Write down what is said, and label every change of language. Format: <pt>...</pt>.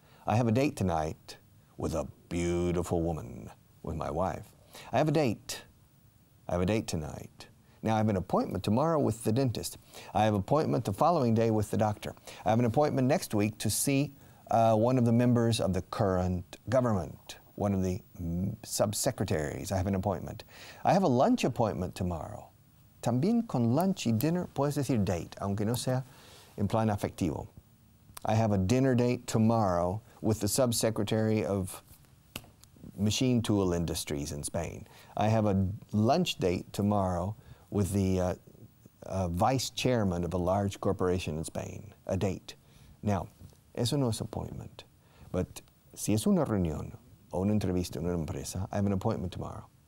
<en>I have a date tonight with a beautiful woman, with my wife. I have a date. I have a date tonight. Now, I have an appointment tomorrow with the dentist. I have an appointment the following day with the doctor. I have an appointment next week to see one of the members of the current government, one of the subsecretaries. I have an appointment. I have a lunch appointment tomorrow.</en> <es>También con lunch y dinner puedes decir date, aunque no sea en plan afectivo.</es> <en>I have a dinner date tomorrow with the subsecretary of machine tool industries in Spain. I have a lunch date tomorrow with the vice chairman of a large corporation in Spain, a date.</en> <es>Now, eso no es appointment, but si es una reunión o una entrevista en una empresa,</es> <en>I have an appointment tomorrow.</en>